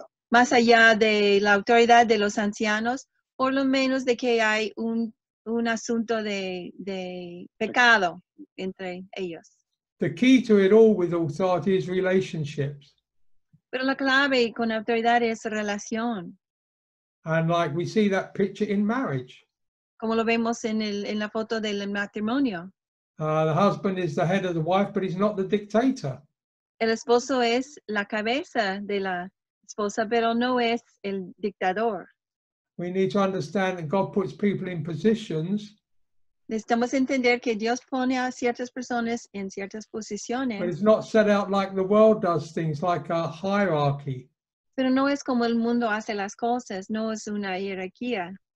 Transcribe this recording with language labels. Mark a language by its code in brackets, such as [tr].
[es] Más allá de la autoridad de los ancianos, por lo menos de que hay un asunto de pecado entre ellos. [en] The key to it all with authority is relationships. [es] Pero la clave con la autoridad es relación. [en] And like we see that picture in marriage. [es] Como lo vemos en la foto del matrimonio. [en] The husband is the head of the wife, but he's not the dictator. [es] El esposo es la cabeza de la esposa, pero no es el dictador. [en] We need to understand that God puts people in positions. [es] Necesitamos entender que Dios pone a ciertas personas en ciertas posiciones. [en] But it's not set out like the world does things, like a hierarchy. [es] Pero no es como el mundo hace las cosas, no es una jerarquía.